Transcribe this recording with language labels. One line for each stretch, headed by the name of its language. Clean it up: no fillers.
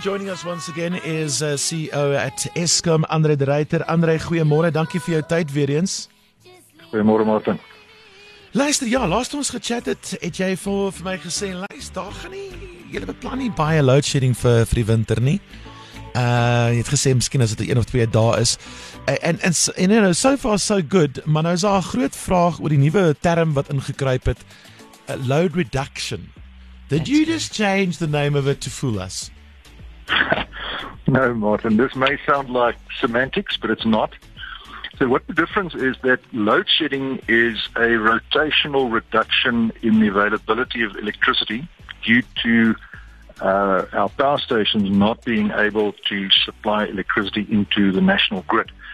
English: Joining us once again is CEO at Eskom, Andre de Ruyter.
Afrikaans: Andre, goeiemôre. Dankie vir jou tyd weer eens. Goeiemôre, Martin. Luister, ja, laatst ons gechat het jy vir my gesê, luister, daar gaan nie, julle beplan nie baie load shedding vir die winter nie. Jy het gesê, miskien as dit 1 of 2 dae is. En
English: you know, so far so good,
Afrikaans: maar nou is daar 'n groot vraag oor die nuwe term wat ingekruip het, load reduction.
English: Just change the name of it to fool us? No, Martin, this may sound like semantics, but it's not. So what the difference is that load shedding is a rotational reduction in the availability of electricity due to our power stations not being able to supply electricity into the national grid.